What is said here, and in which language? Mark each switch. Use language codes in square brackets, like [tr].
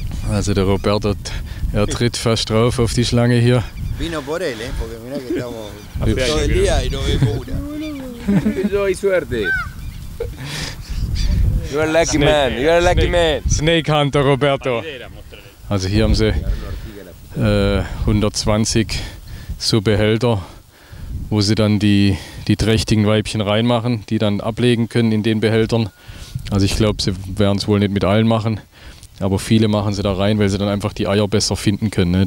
[de] Also der Roberto, er tritt fast drauf auf die Schlange hier. [es] Vino por él, porque mira que estamos todo el día y no veo una. Yo hay suerte. [en] You are a lucky man, you are a lucky man. Snake Hunter, Roberto. [de] Also hier haben sie 120 so Behälter, wo sie dann die trächtigen Weibchen reinmachen, die dann ablegen können in den Behältern. Also ich glaube, sie werden es wohl nicht mit allen machen, aber viele machen sie da rein, weil sie dann einfach die Eier besser finden können, ne?